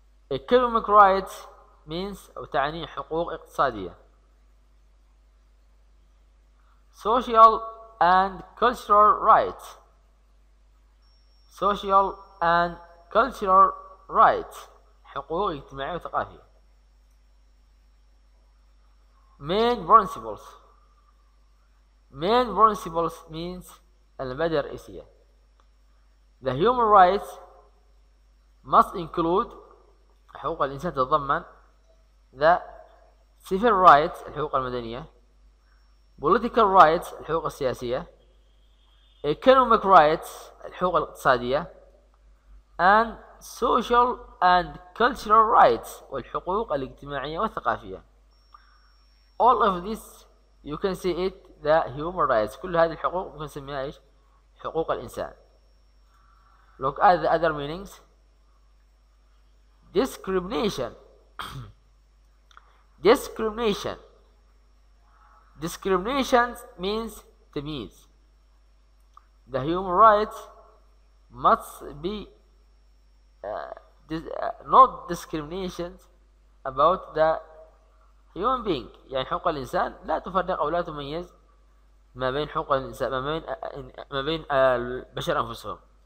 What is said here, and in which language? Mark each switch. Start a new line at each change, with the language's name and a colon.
English: Economic rights means
Arabic: أو تعني حقوق اقتصادية.
English: Social and cultural rights. Social and cultural rights.
Arabic: حقوق اجتماعية وثقافية.
English: Main principles. Main principles means
Arabic: المبادئ الرئيسية.
English: The human rights must include
Arabic: حقوق الإنسان تتضمن
English: the civil rights
Arabic: الحقوق المدنية,
English: political rights
Arabic: الحقوق السياسية,
English: economic rights
Arabic: الحقوق الاقتصادية,
English: and social and cultural rights
Arabic: والحقوق الاجتماعية والثقافية.
English: All of this you can see it the human rights.
Arabic: كل هذه الحقوق ممكن نسميها إيش؟ حقوق الإنسان.
English: Look at the other meanings. Discrimination. Discrimination. Discrimination means
Arabic: تمييز.
English: The human rights must be not discrimination about the human being.
Arabic: يعني حقوق الإنسان لا تفرق أو لا تميز ما بين حقوق الإنسان ما بين البشر أنفسهم.